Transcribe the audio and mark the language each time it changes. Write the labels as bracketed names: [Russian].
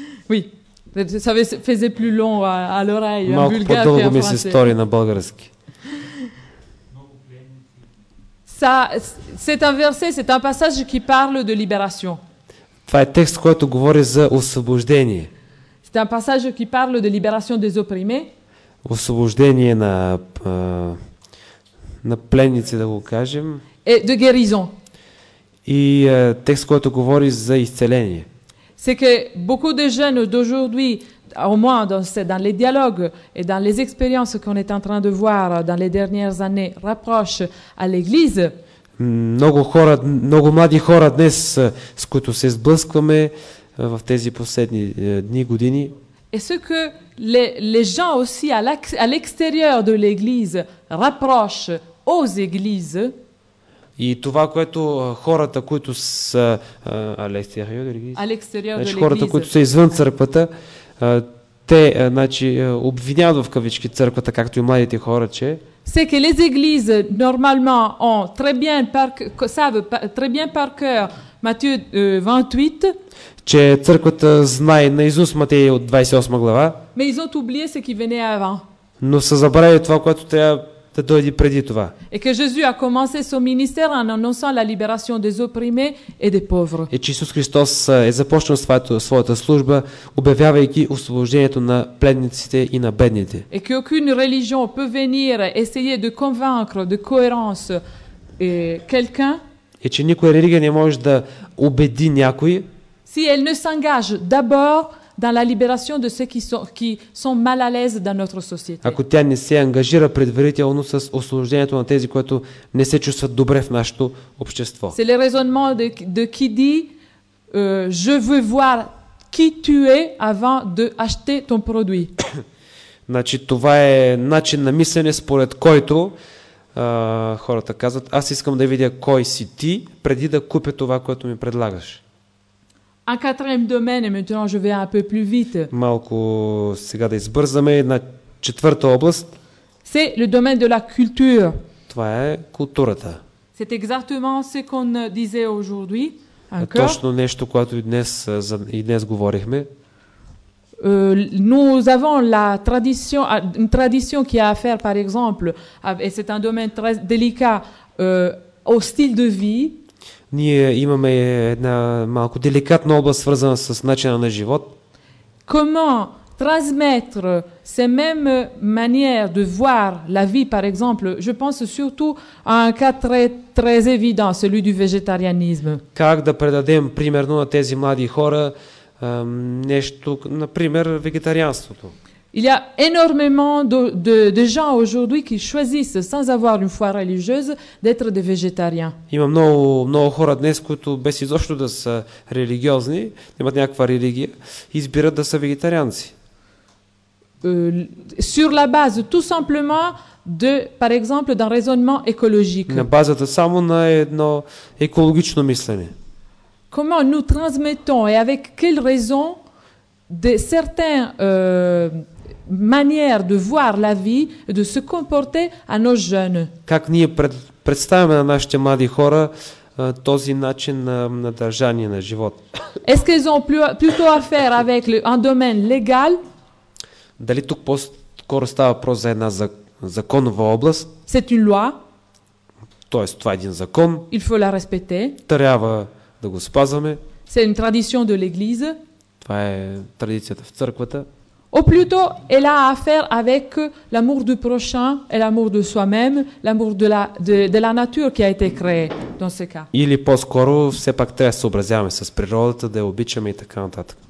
[French] Oui, ça faisait plus long à l'oreille, en bulgare et en français. Mes histoires en bulgare. Ça, c'est un verset, c'est un passage qui parle de libération. C'est un texte qui parle de освобождение. C'est un passage qui parle de libération des opprimés. [Bulgarian] Освобождение на пленници, да го кажем. [French] Et de guérison. [Bulgarian] И текст, който говори за изцеление. [French] C'est que beaucoup de jeunes d'aujourd'hui, au moins dans les dialogues et dans les expériences qu'on est en train de voir dans les dernières années, rapprochent à l'église. [Bulgarian] Много млади хора днес, с които се сблъскваме в тези последни дни, години. [French] Et ce que les gens aussi à l'extérieur de l'église rapprochent aux églises. [Bulgarian] И това, което хората, които са [French] à l'extérieur de l'église. À l'extérieur de l'église. [Bulgarian] Хората, които са извън църквата, те, значи, обвиняват в кавички църквата, както и младите хора, че [French] c'est que les églises normalement ont très bien par savent très bien par cœur Matthieu 28 [Bulgarian] че църквата знае наизуст Матей от 28 глава. [French] Mais ils ont oublié ce qui venait avant. [Bulgarian] Но са забравили това, което трябва да дойде преди това. [French] Et que Jésus a commencé son ministère en annonçant la libération des opprimés et des pauvres. [Bulgarian] И че Исус Христос е започнал своята служба, обявявайки освобождението на пленниците и на бедните. [French] Et que aucune religion peut venir essayer de convaincre de cohérence quelqu'un. [Bulgarian] И че никоя религия не може да убеди някой. [French] Si elle ne s'engage d'abord dans la libération de ceux qui sont mal à l'aise dans notre société. [Bulgarian] Ако тя не се ангажира предварително с освобождението на тези, които не се чувстват добре в нашето общество. [French] C'est le raisonnement de qui dit je veux voir qui tu es avant de acheter ton produit. [Bulgarian] Значи това е начин на мислене, според който хората казват: аз искам да видя кой си ти преди да купя това, което ми предлагаш. [French] Un quatrième domaine, et maintenant je vais un peu plus vite. [Bulgarian] Малко сега да избързаме на четвърта област. [French] C'est le domaine de la culture. [Bulgarian] Това е културата. [French] C'est exactement ce qu'on disait aujourd'hui. [Bulgarian] Точно нещо, което и днес говорихме. [French] Nous avons la tradition, une tradition qui a à faire, par exemple, et c'est un domaine très délicat, au style de vie. [Bulgarian] Ние имаме една малко деликатна област, свързана с начина на живот. [French] Comment transmettre ces mêmes manières de voir la vie, par exemple, je pense surtout à un cas très très évident, celui du végétarianisme. [Bulgarian] Как да предадем примерно на тези млади хора нещо, например, вегетарианството? [French] Il y a énormément de gens aujourd'hui qui choisissent, sans avoir une foi religieuse, d'être des végétariens. [Bulgarian] Има много хора днес, които без изобщо да са религиозни, имат някаква религия, избират да са вегетарианци. [French] Sur la base, tout simplement, de, par exemple, d'un raisonnement écologique. [Bulgarian] На базата само на едно екологично мислене. [French] Comment nous transmettons et avec quelle raison de certains manière de voir la vie et de se comporter à nos jeunes. [Bulgarian] Как ние представяме на нашите млади хора този начин на държание на живот? [French] Est-ce qu'ils ont plutôt affaire avec un domaine légal? [Bulgarian] Дали тук по-скоро става въпрос за една законова област? [French] C'est une loi. [Bulgarian] Тоест, това е един закон. [French] Il faut la respecter. [Bulgarian] Трябва да го спазваме. [French] C'est une tradition de l'église. [Bulgarian] Това е традицията в църквата. [French] Ou plutôt, elle a affaire avec l'amour du prochain et l'amour de soi-même, l'amour de la nature qui a été créée dans ce cas. [Bulgarian] Или по-скоро, все пак трябва да се съобразяваме с природата, да я обичаме и така нататък.